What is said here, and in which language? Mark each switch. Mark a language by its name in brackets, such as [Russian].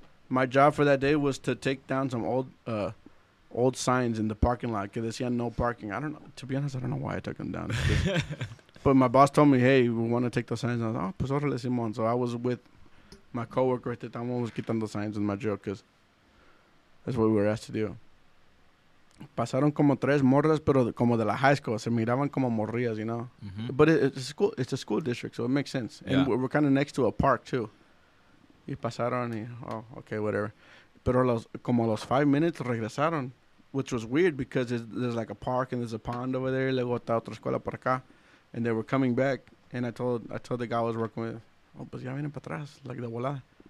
[English] My job for that day was to take down some old signs in the parking lot because they had no parking. I don't know. To be honest, I don't know why I took them down. But my boss told me, hey, we want to take those signs. I was like, oh, [Spanish] pues órale, Simón. [English] So I was with my coworker at the time. I was getting the signs in my job because that's what we were asked to do. [Spanish] Pasaron como tres morras, pero como de la high school. Se miraban como morrías, [English] you know. Mm-hmm. But it's a school district, so it makes sense. Yeah. And we're kind of next to a park, too. [Spanish] Y pasaron y, [English] oh, okay, whatever. [Spanish] Pero como los [English] 5 minutes regresaron, which was weird because there's like a park and there's a pond over there. [Spanish] Luego está otra escuela por acá. [English] And they were coming back, and I told the guy I was working with, oh, [Spanish] pues ya vienen para atrás, [English] like [Spanish] de volada.